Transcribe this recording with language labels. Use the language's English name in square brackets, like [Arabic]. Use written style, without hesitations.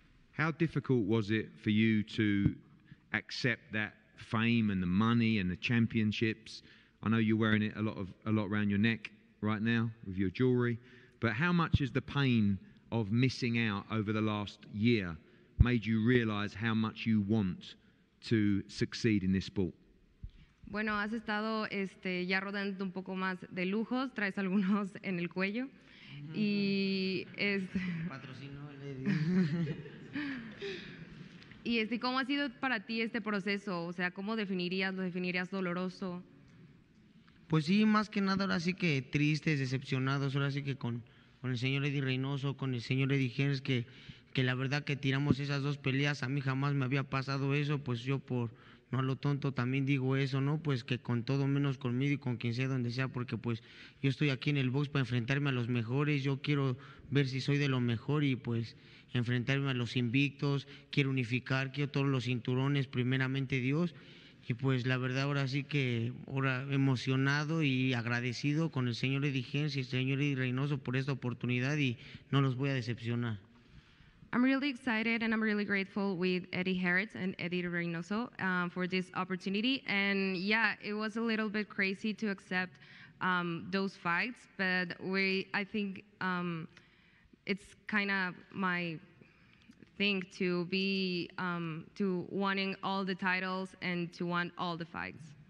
[English] How difficult was it for you to accept that fame and the money and the championships? I know you're wearing it a lot around your neck right now with your jewelry, but how much has the pain of missing out over the last year made you realize how much you want to succeed in this sport? [Spanish] Bueno, has estado ya rodando un poco más de lujos, traes algunos en el cuello. Y patrocino el Eddie. Y ¿cómo ha sido para ti este proceso? O sea, ¿cómo definirías? ¿Lo definirías doloroso? Pues sí, más que nada ahora sí que tristes, decepcionados. Ahora sí que con el señor Eddie Reynoso, con el señor Eddie Hearn, que la verdad que tiramos esas dos peleas, a mí jamás me había pasado eso, pues yo por... No a lo tonto también digo eso, ¿no? Pues que con todo menos conmigo y con quien sea, donde sea, porque pues yo estoy aquí en el box para enfrentarme a los mejores, yo quiero ver si soy de lo mejor y pues enfrentarme a los invictos, quiero unificar, quiero todos los cinturones, primeramente Dios, Y pues la verdad ahora sí que ahora emocionado y agradecido con el señor Edigencia y el señor Reynoso por esta oportunidad y no los voy a decepcionar. [English] I'm really excited and I'm really grateful with Eddie Harris and Eddie Reynoso for this opportunity. And yeah, it was a little bit crazy to accept those fights, but I think it's kind of my thing to be to wanting all the titles and to want all the fights.